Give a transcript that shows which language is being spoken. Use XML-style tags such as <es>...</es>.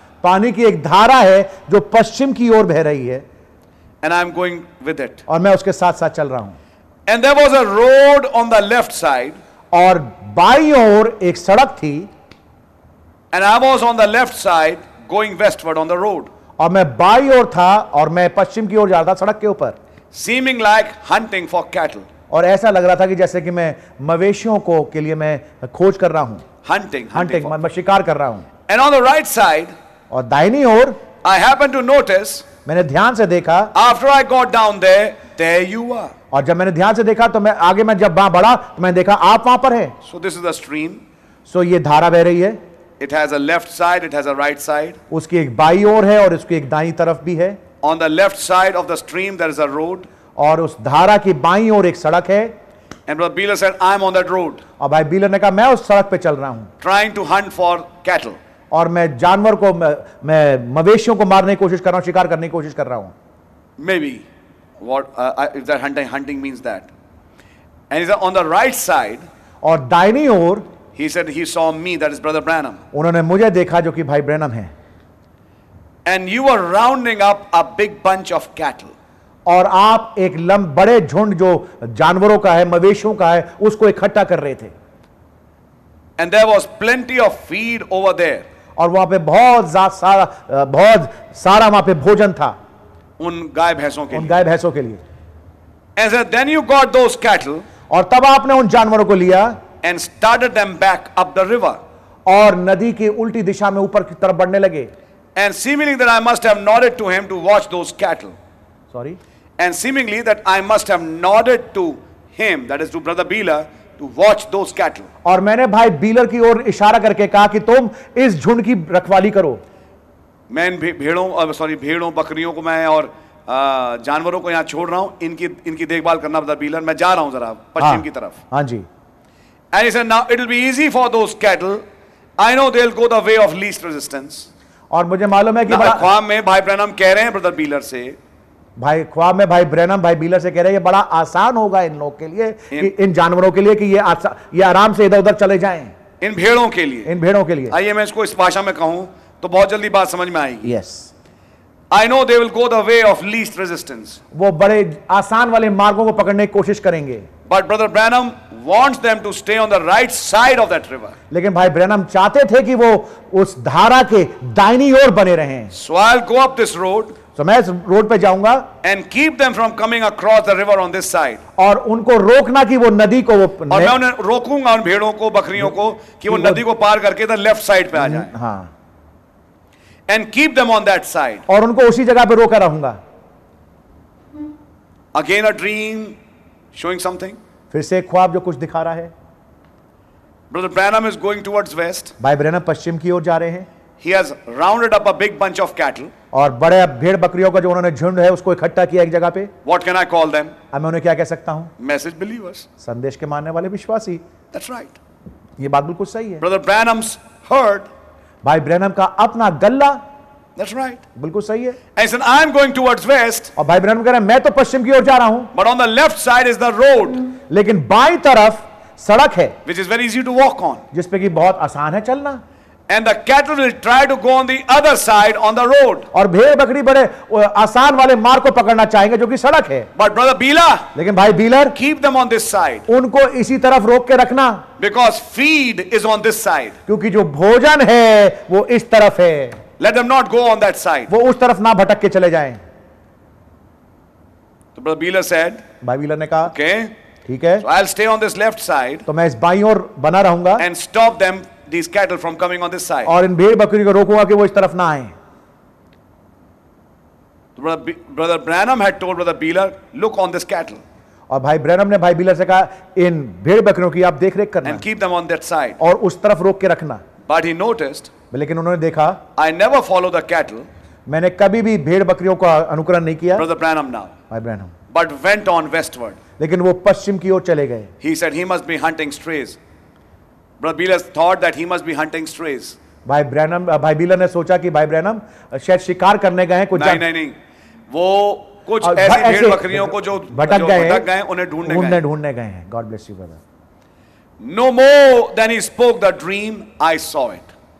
<hi>पानी की एक धारा है जो पश्चिम की ओर बह रही है.</hi> <en>And I am going with it.</en> <hi>और मैं उसके साथ साथ चल रहा हूं.</hi> <en>And there was a road on the left side.</en> <hi>और बाई ओर एक सड़क थी.</hi> <en>And I was on the left side going westward on the road.</en> <hi>और मैं बाई ओर था और मैं पश्चिम की ओर जा रहा था सड़क के ऊपर.</hi> <en>Seeming like hunting for cattle.</en> <hi>और ऐसा लग रहा था कि जैसे कि मैं मवेशियों को के लिए मैं खोज कर रहा हूं.</hi> <en>Hunting</en> <hi>मतलब शिकार कर रहा हूं.</hi> <en>And on the right side.</en> <hi>और दाहिनी ओर.</hi> <en>I happened to notice.</en> <hi>मैंने ध्यान से देखा.</hi> <en>After I got down there, there you are.</en> <hi>और जब मैंने ध्यान से देखा तो मैं आगे मैं जब वहां बढ़ा तो मैंने देखा आप वहां पर हैं.</hi> <en>So this is the stream.</en> <hi>So ये धारा बह रही है.</hi> <en>It has a left side, it has a right side.</en> <hi>उसकी एक बाई ओर है और उसकी एक दाईं तरफ भी है.</hi> <en>On the left side of the stream, there is a road.</en> <hi>और उस धारा की बाईं ओर एक सड़क है.</hi> <en>And brother Beeler said, I am on that road.</en> <hi>और भाई बीलर ने कहा मैं उस सड़क पे चल रहा हूं.</hi> <en>Trying to hunt for cattle.</en> <hi>और मैं जानवर को मैं मवेशियों को मारने की कोशिश कर रहा हूं, शिकार करने की कोशिश कर रहा हूं.</hi> <en>Maybe what if that hunting means that. And he said, on the right side.</en> <hi>और दाईं ओर.</hi> <en>He said he saw me, that is brother Branham.</en> <hi>उन्होंने मुझे देखा जो कि भाई ब्रैनम है.</hi> <en>And you were rounding up a big bunch of cattle.</en> <hi>और आप एक लंबे बड़े झुंड जो जानवरों का है, मवेशियों का है, उसको इकट्ठा कर रहे थे.</hi> <en>And there was plenty of feed over there.</en> <hi>और वहां पे बहुत सारा वहां पे भोजन था उन गाय भैंसों के उन गाय भैंसों के लिए.</hi> <en>As a, then you got those cattle.</en> <hi>और तब आपने उन जानवरों को लिया.</hi> <en>And started them back up the river.</en> <hi>और नदी के उल्टी दिशा में ऊपर की तरफ बढ़ने लगे.</hi> <en>And seemingly that I must have nodded to him to watch those cattle. Sorry. And seemingly that I must have nodded to him, that is to brother Beeler, to watch those cattle.</en> <hi>और मैंने भाई Beeler की ओर इशारा करके कहा कि तुम इस झुंड की रखवाली करो. मैं भेड़ों बकरियों को मैं और जानवरों को यहां छोड़ रहा हूं, इनकी इनकी देखभाल करना brother Beeler. मैं जा रहा हूं जरा पश्चिम की तरफ. हाँ जी.</hi> <en>And he said, "Now it will be easy for those cattle. I know they'll go the way of least resistance."</en> <hi>और मुझे मालूम है कि ख्वाब में भाई ब्रैनम कह रहे हैं ब्रदर बीलर से. भाई ख्वाब में भाई ब्रैनम भाई बीलर से कह रहे हैं ये बड़ा आसान होगा इन लोग के लिए, इन जानवरों के लिए कि ये आराम से इधर उधर चले जाएं. इन भेड़ों के लिए. इन भेड़ों के लिए. आइए मैं इसको इस भाषा में कहूं तो बहुत जल्दी बात समझ में आएगी.</hi> <en>Yes. I know they will go the way of least resistance.</en> <hi>वो बड़े आसान वाले मार्गों को पकड़ने की कोशिश करेंगे.</hi> <en>But brother Branham wants them to stay on the right side of that river.</en> <hi>लेकिन भाई ब्रैनम चाहते थे कि वो उस धारा के दाहिनी ओर बने रहें.</hi> <en>So I'll go up this road.</en> <hi>So मैं इस रोड पे जाऊंगा.</hi> <en>And keep them from coming across the river on this side.</en> <hi>और उनको रोकना कि वो नदी को वो और मैं उन्हें रोकूंगा उन भेड़ों को बकरियों को कि वो नदी को पार करके</hi> <en>the left side</en> <hi>पे आ जाए. हाँ.</hi> <en>And keep them on that side.</en> <hi>और उनको उसी जगह पे रोका रहूंगा.</hi> <en>Again a dream showing something.</en> <hi>फिर से एक ख्वाब जो कुछ दिखा रहा है.</hi> <en>Brother Branham is going towards west.</en> <hi>भाई ब्रैनम पश्चिम की ओर जा रहे हैं.</hi> <en>He has rounded up a big bunch of cattle.</en> <hi>और बड़े भेड़ बकरियों का जो उन्होंने झुंड है उसको इकट्ठा किया एक जगह पे.</hi> <en>What can I call them?</en> <hi>अब मैं उन्हें क्या कह सकता हूँ?</hi> <en>Message believers.</en> <hi>संदेश के मानने वाले विश्वासी.</hi> <en>That's right.</en> <hi>ये बात बिल्कुल सही है.</hi> <en>Brother Branham's herd.</en> <hi>भाई ब्रैनम का अपना गल्ला.</hi> <en>That's right.</en> <hi>बिल्कुल सही है.</hi> <en>And he said, I'm going towards west.</en> <hi>और भाई ब्रैनम कह रहा है मैं तो पश्चिम की ओर जा रहा हूं.</hi> <en>But on the left side is the road.</en> <hi>लेकिन बाई तरफ सड़क है.</hi> <en>Which is very easy to walk on.</en> <hi>जिस पे कि बहुत आसान है चलना.</hi> <en>And the cattle will try to go on the other side on the road.</en> <hi>और भेड़ बकरी बड़े आसान वाले मार्ग को पकड़ना चाहेंगे जो कि सड़क है.</hi> <en>But brother Beeler.</en> <hi>लेकिन भाई Beeler.</hi> <en>Keep them on this side.</en> <hi>उनको इसी तरफ रोक के रखना.</hi> <en>Because feed is on this side.</en> <hi>क्योंकि जो भोजन है वो इस तरफ है.</hi> <en>Let them not go on that side.</en> <hi>वो उस तरफ ना भटक के चले जाएं.</hi> <en>तो brother Beeler said.</en> <hi>भाई बीलर ने कहा.</hi> <en>Okay.</en> <hi>ठीक है.</hi> <en>So I'll stay on this left side.</en> <hi>तो मैं इस बाईं ओर बना रहूंगा.</hi> <en>And stop them. These cattle from coming on this side.</en> <hi>और इन भेड़ बकरी को रोकूंगा कि वो इस तरफ ना आएं.</hi> <en>Brother Branham had told Brother Beeler, look on this cattle.</en> <hi>और भाई ब्रैनम ने भाई बीलर से कहा इन भेड़ बकरियों की आप देखरेख करना</hi> <en>and keep them on that side.</en> <hi>और उस तरफ रोक के रखना</hi> <en>But he noticed,</en> <hi>लेकिन उन्होंने देखा</hi> <en>I never follow the cattle,</en> <hi>मैंने कभी भी भेड़ बकरियों का अनुकरण नहीं किया</hi> <en>Brother Branham now.</en> <hi>भाई Branham</hi> <en>But went on westward.</en> <hi>लेकिन वो पश्चिम की ओर चले गए</hi> <en>He said he must be hunting strays. Brother Beeler thought that he must be hunting strays.</en> <hi>भाई ब्रैनम भाई बीलर ने सोचा कि भाई ब्रैनम शायद शिकार करने गए कुछ नहीं, नहीं, नहीं। वो कुछ ऐसी भेड़ बकरियों को जो भटक गए उन्हें ढूंढने गए हैं</hi> <en>God bless you brother no more then he spoke the dream I saw it</en>